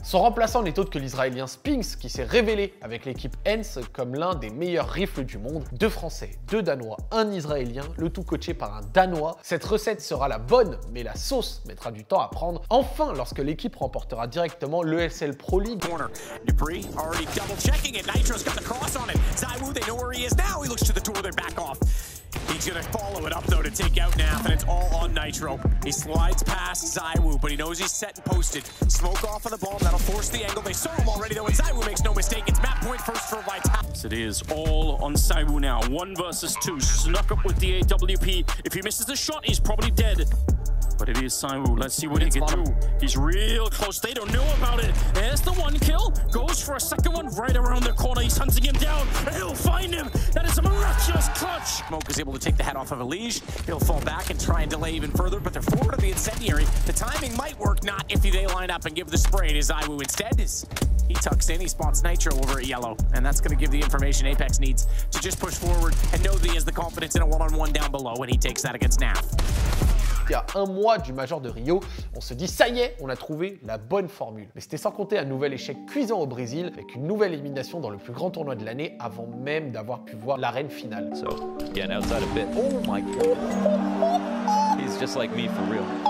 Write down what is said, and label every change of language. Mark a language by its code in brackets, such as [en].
[fr] Son remplaçant n'est autre que l'Israélien Spinks, qui s'est révélé avec l'équipe Ents comme l'un des meilleurs rifles du monde. 2 Français, 2 Danois, 1 Israélien, le tout coaché par un Danois. Cette recette sera la bonne, mais la sauce mettra du temps à prendre. Enfin, lorsque l'équipe remportera directement l'ESL Pro League. [en] Corner, Dupré, already double checking it, Nitro's got the cross on it. Zywoo, they know where he is now. He looks to the tour, they're back off. He's gonna follow it up though to take out Nath, and it's all on Nitro. He slides past Zywoo, but he knows he's set and posted. Smoke off of the ball, that'll force the angle. They saw him already though, and Zywoo makes no mistake. It's map point first for Vitality. It is all on Zywoo now. 1 versus 2. Snuck up with the AWP. If he misses the shot, he's probably dead. But it is Saiwoo. Let's see what he can do. He's real close. They don't know about it. There's the one kill. Goes for a second one right around the corner. He's hunting him down. And he'll find him. That is a miraculous clutch. Smoke is able to take the head off of Elige. He'll fall back and try and delay even further. But they're forward of the incendiary. The timing might work. Not if they line up and give the spray to Saiwoo instead. He tucks in. He spots Nitro over at yellow. And that's going to give the information Apex needs to just push forward and know that he has the confidence in a one-on-one down below when he takes that against Nav. [fr] Il y a un mois du Major de Rio, on se dit ça y est, on a trouvé la bonne formule. Mais c'était sans compter un nouvel échec cuisant au Brésil avec une nouvelle élimination dans le plus grand tournoi de l'année avant même d'avoir pu voir l'arène finale. [en] So, again, outside a bit. Oh my god. He's just like me for real.